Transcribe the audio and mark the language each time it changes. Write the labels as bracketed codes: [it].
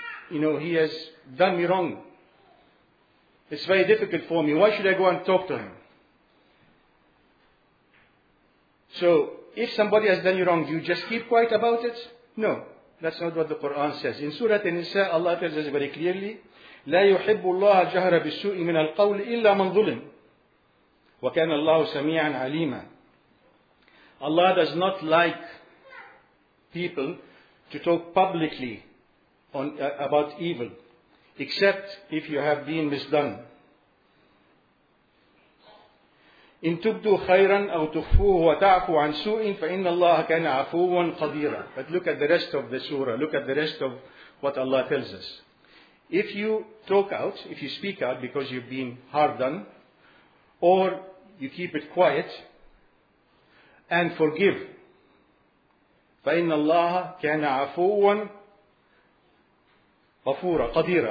[en] He has done me wrong. It's very difficult for me. Why should I go and talk to him? So, if somebody has done you wrong, do you just keep quiet about it? No. That's not what the Quran says. In Surah An-Nisa, Allah tells us very clearly, [ar] لا يحب الله الجهر بالسوء من القول إلا من ظلم. وكان الله سميعا عليما. [en] Allah does not like people to talk publicly about evil, except if you have been misdone. [ar] إن تبدو خيرا أو تخفوه وتعفو عن سوء فإن الله كان عفوا قديرا. [en] But look at the rest of the surah. Look at the rest of what Allah tells us. If you talk out, if you speak out because you've been hard done, or you keep it quiet and forgive, [ar] فإن الله كان عفوا غفورا قديرا.